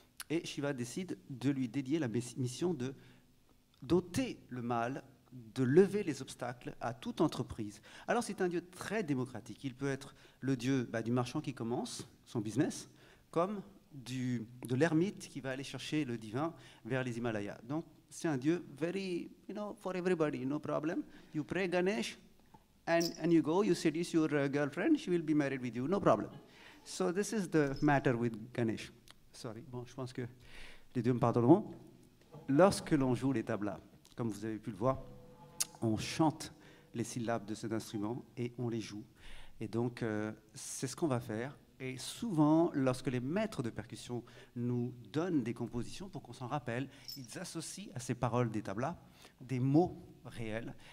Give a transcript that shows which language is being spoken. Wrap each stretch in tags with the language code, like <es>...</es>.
<fr>Et Shiva décide de lui dédier la mission de doter le mal, de lever les obstacles à toute entreprise. Alors c'est un dieu très démocratique. Il peut être le dieu du marchand qui commence son business, comme de l'ermite qui va aller chercher le divin vers les Himalayas. Donc c'est un dieu</fr> <en>very, you know, for everybody, no problem. You pray Ganesh and you go, you seduce your girlfriend, she will be married with you, no problem. So this is the matter with Ganesh.</en> <fr>Sorry, bon, je pense que les deux me pardonneront. Lorsque l'on joue les tablas, comme vous avez pu le voir, on chante les syllabes de cet instrument et on les joue. Et donc, c'est ce qu'on va faire. Et souvent, lorsque les maîtres de percussion nous donnent des compositions pour qu'on s'en rappelle, ils associent à ces paroles des tablas des mots réels.</fr>